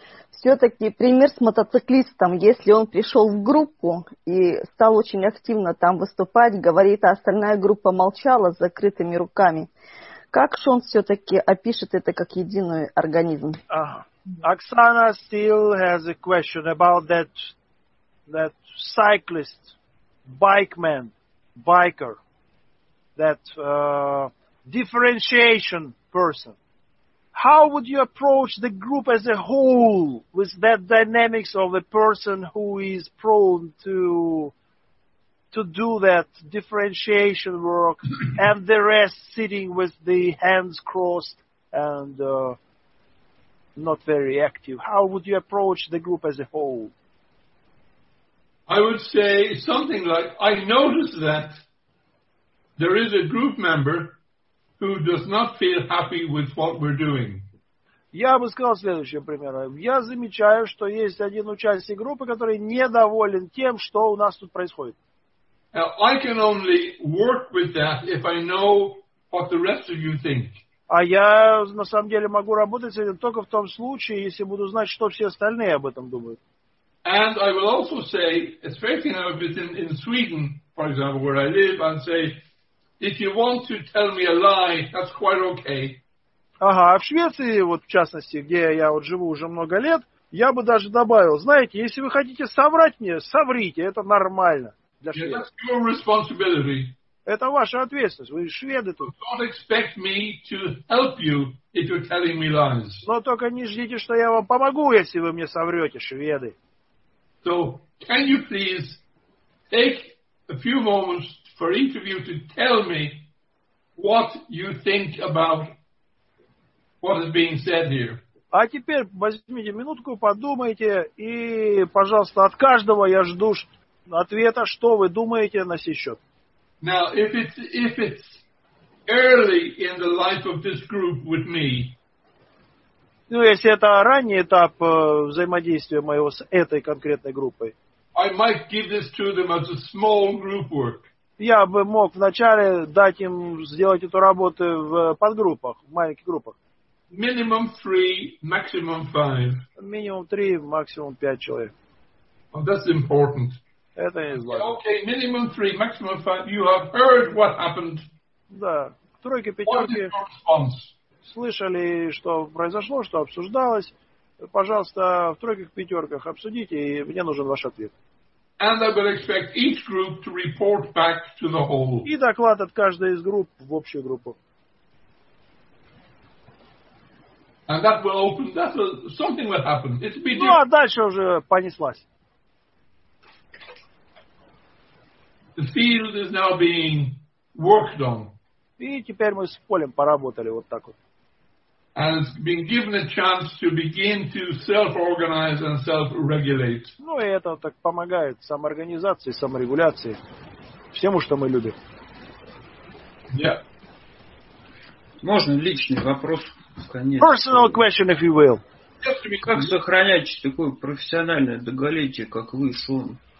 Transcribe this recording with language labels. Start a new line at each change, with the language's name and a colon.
Russian: Все-таки пример с мотоциклистом, если он пришел в группу и стал очень активно там выступать, говорит, а остальная группа молчала с закрытыми руками. Как же он все-таки опишет это как единый организм?
English: Оксана still has a question about that cyclist, bikeman, biker, that differentiation person. How would you approach the group as a whole with that dynamics of a person who is prone to do that differentiation work and the rest sitting with the hands crossed and not very active? How would you approach the group as a whole? I would say something like, I noticed that there is a group member who does not feel happy with what we're doing.
Russian: Я бы сказал следующее, примерно. Я замечаю, что есть один участник группы, который недоволен тем, что у нас тут происходит.
English: Now, I can only work with that if I know what the rest of you think.
Russian: А я на самом деле могу работать с этим только в том случае, если буду знать, что все остальные об этом думают.
English: And I will also say, especially now if it's in Sweden, for example, where I live, and say, if you want to tell me a lie, that's quite okay.
Russian: Ага, в Швеции, вот в частности, где я вот живу уже много лет, я бы даже добавил, знаете, если вы хотите соврать мне, соврите, это нормально.
English: Yeah, that's your responsibility.
Russian: Это ваша ответственность. Вы шведы тут.
English: Don't expect me to help you if you're telling me lies.
Russian: Но только не ждите, что я вам помогу, если вы мне соврете, шведы.
English: So, can you please take a few moments for each of you to tell me what you think about what is being said here?
Russian: А теперь возьмите минутку, подумайте, и, пожалуйста, от каждого я жду ответа, что вы думаете на сей счет.
English: Now, if it's early in the life of this group with me.
Russian: Ну, если это ранний этап взаимодействия моего с этой конкретной группой.
English: I might give this to them as a small group work.
Russian: Я бы мог вначале дать им сделать эту работу в подгруппах, в маленьких группах.
English: Minimum 3, maximum 5.
Russian: Минимум 3, максимум 5 человек.
English: Well, that's important.
Russian: Это не важно.
English: Okay, minimum 3, maximum 5. You have heard what happened.
Russian: Да. Тройки, пятерки.
English: What is your response?
Russian: Слышали, что произошло, что обсуждалось. Пожалуйста, в тройках, пятерках обсудите, и мне нужен ваш ответ.
English: And I will expect each group to report back to the whole.
Russian: И доклад от каждой из групп в общую группу.
English: And that will open. That will, something will happen. It'll be
Russian: ну, а дальше уже понеслась.
English: The field is now being worked on.
Russian: И теперь мы с полем поработали вот так вот.
English: And it's been given a chance to begin to self-organize and self-regulate.
Russian: Ну и это так помогает самоорганизации, саморегуляции, всему, что мы любим.
English: Yeah.
Russian: Можно личный вопрос, конечно.
English: Personal question, if you will.
Russian: Как сохранять такое профессиональное долголетие, как вы, Шон?